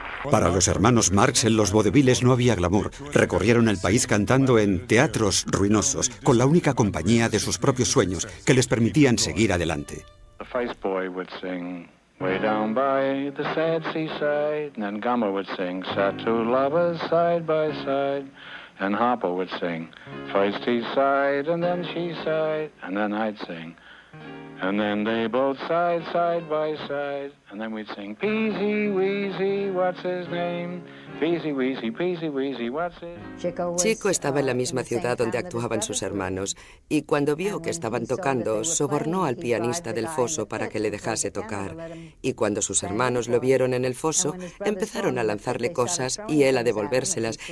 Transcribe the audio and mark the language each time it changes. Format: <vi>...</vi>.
<es>Para los hermanos Marx, en los vodeviles no había glamour. Recorrieron el país cantando en teatros ruinosos, con la única compañía de sus propios sueños, que les permitían seguir adelante.</es> <en>The Feist boy would sing, way down by the sad seaside. And then Gummer would sing, sat 2 lovers side by side. And Harpo would sing, Feist he sighed, and then she sighed. And then I'd sing, And then they both sighed side by side. And then we'd sing, Peasy Weezy, what's his name? Peasy Weezy, Peasy Weezy, what's his name?</en> <es>Chico estaba en la misma ciudad donde actuaban sus hermanos. Y cuando vio que estaban tocando, sobornó al pianista del foso para que le dejase tocar. Y cuando sus hermanos lo vieron en el foso, empezaron a lanzarle cosas y él a devolvérselas.</es>